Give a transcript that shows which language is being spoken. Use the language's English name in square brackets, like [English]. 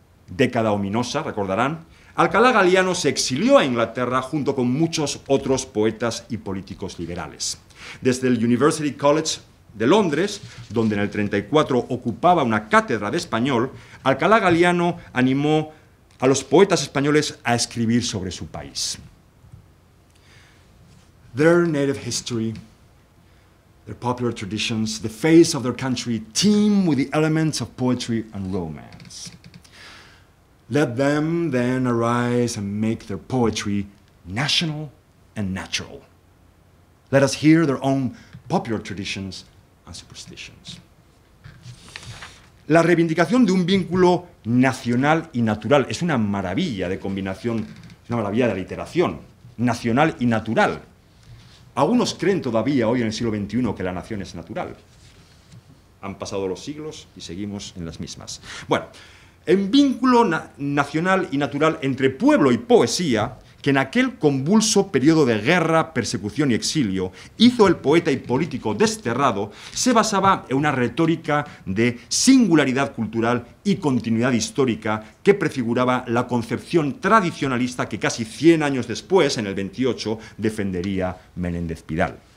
[Spanish] década ominosa, recordarán, Alcalá Galiano se exilió a Inglaterra junto con muchos otros poetas y políticos liberales. Desde el University College de Londres, donde en el 34 ocupaba una cátedra de español, Alcalá Galiano animó a los poetas españoles a escribir sobre su país. [English] Their native history, their popular traditions, the face of their country teem with the elements of poetry and romance. Let them then arise and make their poetry national and natural. Let us hear their own popular traditions and superstitions. [Spanish] La reivindicación de un vínculo nacional y natural es una maravilla de combinación, es una maravilla de aliteración, nacional y natural. Algunos creen todavía hoy en el siglo XXI que la nación es natural. Han pasado los siglos y seguimos en las mismas. Bueno, en vínculo nacional y natural entre pueblo y poesía, que en aquel convulso periodo de guerra, persecución y exilio hizo el poeta y político desterrado, se basaba en una retórica de singularidad cultural y continuidad histórica que prefiguraba la concepción tradicionalista que casi 100 años después, en el 28, defendería Menéndez Pidal.